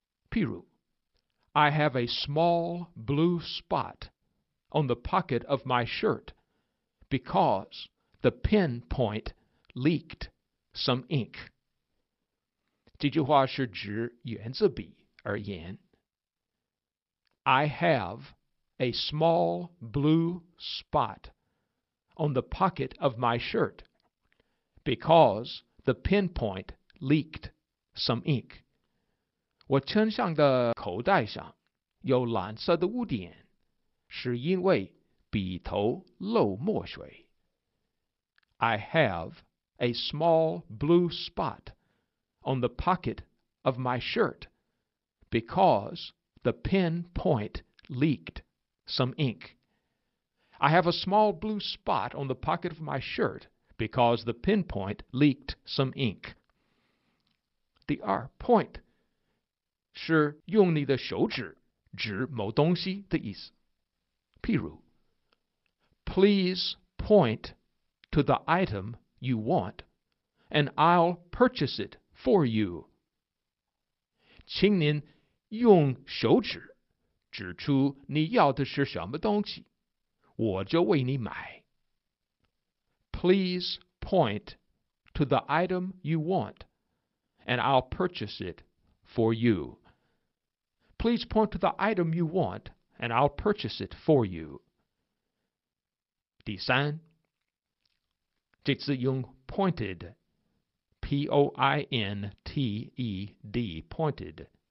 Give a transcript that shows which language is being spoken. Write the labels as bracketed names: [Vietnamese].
[Chinese] 譬如， [English] I have a small blue spot on the pocket of my shirt because the pin point leaked some ink. [Chinese] 这句话是指原子笔而言。 [English] I have a small blue spot on the pocket of my shirt because the pinpoint leaked some ink. [Chinese] 我衬衫的口袋上有蓝色的污点，是因为笔头漏墨水。 [English] I have a small blue spot on the pocket of my shirt because the pen point leaked some ink. I have a small blue spot on the pocket of my shirt because the pen point leaked some ink. [Chinese] 第二 point 是用你的手指指某东西的意思。譬如 [English] Please point to the item you want and I'll purchase it for you. [Chinese] 请您用手指指出你要的是什么东西，我就为你买。 [English] Please point to the item you want and I'll purchase it for you. Please point to the item you want and I'll purchase it for you. [Chinese] 第三，这次用 pointed, P-O-I-N-T-E-D, pointed.